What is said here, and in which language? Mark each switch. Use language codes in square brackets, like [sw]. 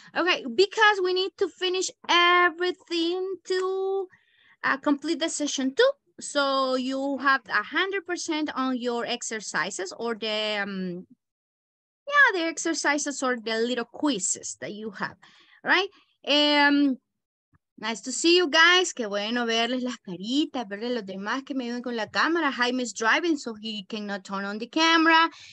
[en] Okay, because we need to finish everything to complete the session two. So you have 100% on your exercises or the exercises or the little quizzes that you have, right? Nice to see you guys. [es] Que bueno verles las caritas, verles los demás que me ven con la cámara. [en] Jaime is driving, so he cannot turn on the camera.